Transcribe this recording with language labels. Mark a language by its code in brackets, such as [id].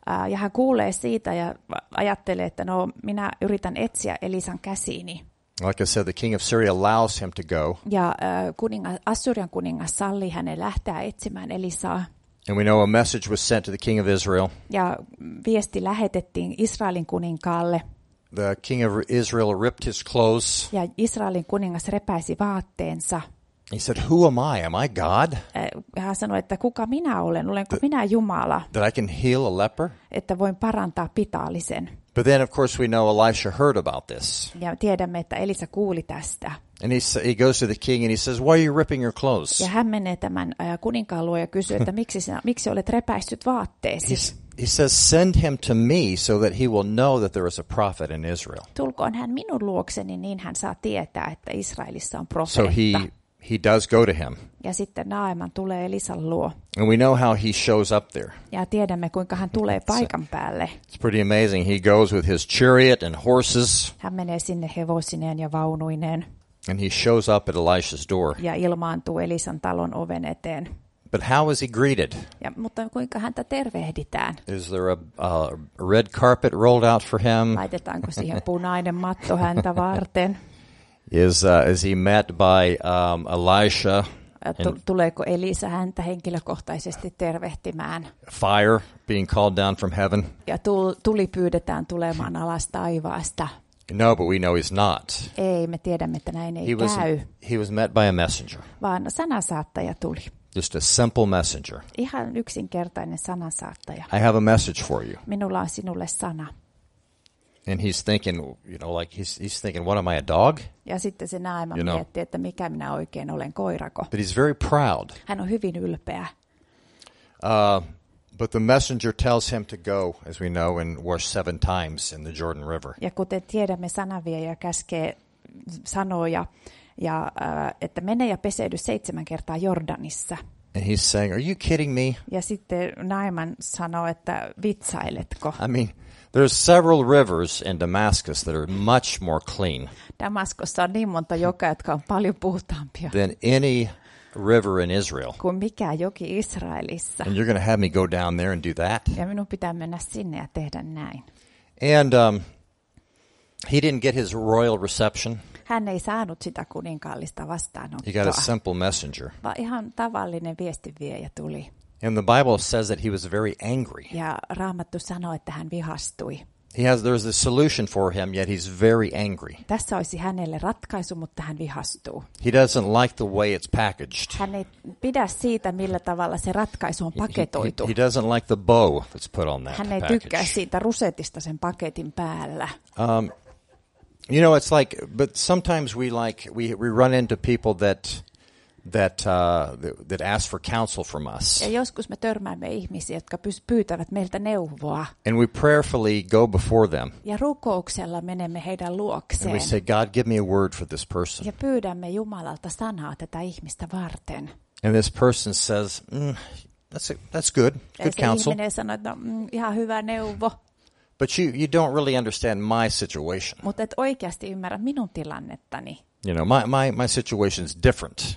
[fi] Ja hän kuulee siitä ja ajattelee, että no, minä yritän etsiä Elisan käsiini. [en] Like I said, the king of Syria allows him to go. [fi] Ja Assyrian kuningas sallii hänen lähteä etsimään Elisaa. [en] And we know a message was sent to the king of Israel. [fi] Ja viesti lähetettiin Israelin kuninkaalle. [en] The king of Israel ripped his clothes. [fi] Ja Israelin kuningas repäisi vaatteensa. [en] He said, "Who am I? Am I God?" [fi] Hän sanoi, että kuka minä olen? Olenko minä Jumala? [en] That I can heal a leper? [fi] Että voin parantaa pitaalisen. [en] But then, of course, we know Elisha heard about this. [fi] Ja tiedämme, että Elisa kuuli tästä. [en] And he goes to the king and he says, "Why are you ripping your clothes?" [fi] Ja hän menee tämän kuninkaan luo ja kysyy, että miksi olet repäissyt vaatteesi? [en] He says, "Send him to me so that he will know that there is a prophet in Israel." [fi] Tulkoon hän minun luokseni, niin hän saa tietää, että Israelissa on profeetta. [en] So he does go to him. [fi] Ja sitten Naaman tulee Elisan luo. [en] And we know how he shows up there. [fi] Ja tiedämme, kuinka hän tulee paikan päälle. [en] It's pretty amazing. He goes with his chariot and horses. [fi] Hän menee sinne hevosineen ja vaunuineen. [en] And he shows up at Elisha's door. [fi] Ja ilmaantuu Elisan talon oven eteen. [en] But how is he greeted? [fi] Ja, mutta kuinka häntä tervehditään? [en] Is there a red carpet rolled out for him? [fi] Laitetaanko siihen punainen matto häntä varten? [en] Is he met by Elisha? [fi] Tuleeko Elisa häntä henkilökohtaisesti tervehtimään? [en] Fire being called down from heaven. [fi] Ja tuli pyydetään tulemaan alas taivaasta. [en] No, but we know he's not. [fi] Ei, me tiedämme, että näin ei käy. [en] He was met by a messenger. [fi] Vaan sanansaattaja tuli. [en] Just a simple messenger. [fi] Ihan yksinkertainen sanansaattaja. [en] I have a message for you. [fi] Minulla on sinulle sana. [en] And he's thinking, you know, like he's thinking, what am I, a dog? [fi] Ja sitten se Naaman mietti, että mikä minä oikein olen, koirako. [en] But he's very proud. [fi] Hän on hyvin ylpeä. [en] But the messenger tells him to go, as we know, and wash 7 times in the Jordan River. [fi] Ja kuten tiedämme, sanaviejä käskee sanoja, ja että mene ja peseydy 7 kertaa Jordanissa. [en] And he's saying, are you kidding me? [fi] Ja sitten Naaman sanoo, että vitsailetko? [en] I mean, there's several rivers in Damascus that are much more clean. [fi] Damaskossa on niin monta joka, jotka on paljon puhtaampia. [en] Than any river in Israel. [fi] Kuin mikään joki Israelissa. [en] And you're going to have me go down there and do that? [fi] Ja minun pitää mennä sinne ja tehdä näin. [en] And he didn't get his royal reception. [fi] Hän ei saanut sitä kuninkaallista vastaanottoa. [en] He got a simple messenger. [fi] Vaan ihan tavallinen viestinviejä tuli. [en] And the Bible says that he was very angry. [fi] Ja Raamattu sanoo, että hän vihastui. [en] There's a solution for him, yet he's very angry. [fi] Tässä olisi hänelle ratkaisu, mutta hän vihastuu. [en] He doesn't like the way it's packaged. [fi] Hän ei pidä siitä, millä tavalla se ratkaisu on paketoitu. [en] He doesn't like the bow that's put on that [fi] hän [en] package. [fi] Ei tykkää siitä rusetista sen paketin päällä. [en] You know, it's like, but sometimes we run into people that ask for counsel from us. [fi] Ja joskus me törmäämme ihmisiä, jotka pyytävät meiltä neuvoa. [en] And we prayerfully go before them. [fi] Ja rukouksella menemme heidän luokseen. [en] And we say, God, give me a word for this person. [fi] Ja pyydämme Jumalalta sanaa tätä ihmistä varten. [en] And this person says, that's good. Good counsel. [fi] Ja se ihminen sanoo, että ihan hyvä neuvo. [en] But you don't really understand my situation. [fi] Mutta et oikeasti ymmärrä minun tilannettani. [en] You know, my situation is different.